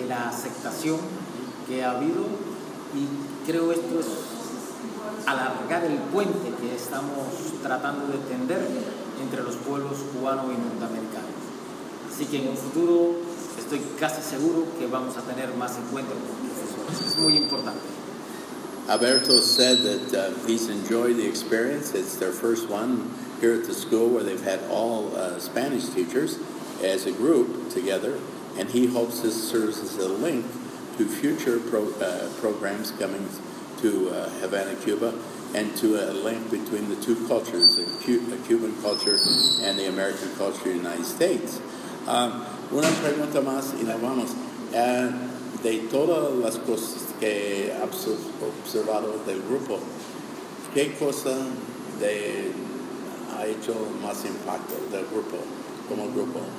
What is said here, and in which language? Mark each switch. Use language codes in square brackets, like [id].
[es] De la aceptación que ha habido, y creo esto es alargar el puente que estamos tratando de tender entre los pueblos cubano y norteamericano. Así que en un futuro estoy casi seguro que vamos a tener más encuentros con profesores. Es muy importante. [en] Alberto said that he's enjoyed the experience. It's their first one here at the school where they've had all Spanish teachers as a group together, and he hopes this serves as a link to future programs coming to Havana, Cuba, and to a link between the two cultures, the Cuban culture and the American culture in the United States. [es] Una pregunta más y nos vamos. De todas las cosas que has observado del grupo, ¿qué cosa ha hecho más impacto del grupo, como grupo?